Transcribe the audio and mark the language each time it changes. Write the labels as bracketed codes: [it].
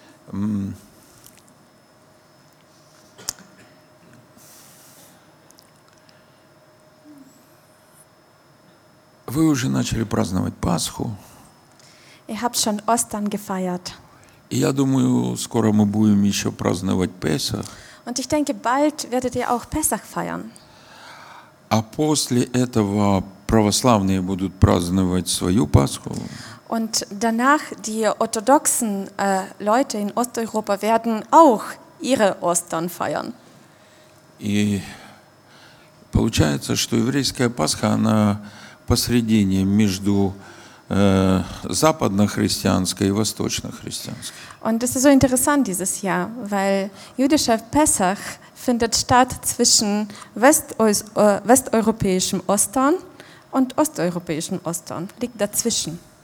[ru] Вы уже начали праздновать Пасху. [de] Ihr habt schon Ostern gefeiert. [ru] И я думаю, скоро мы будем еще праздновать Песах. [de] Und ich denke, bald werdet ihr auch Pesach feiern. [ru] А после этого православные будут праздновать свою Пасху. [de] Und danach die orthodoxen Leute in Osteuropa werden auch ihre Ostern feiern. [ru] И получается, что еврейская Пасха, она посредине между западнохристианской и восточнохристианской. [de] Und das ist so interessant dieses Jahr, weil jüdischer Pesach findet statt zwischen westeuropäischem Ostern und osteuropäischen Ostern, liegt dazwischen.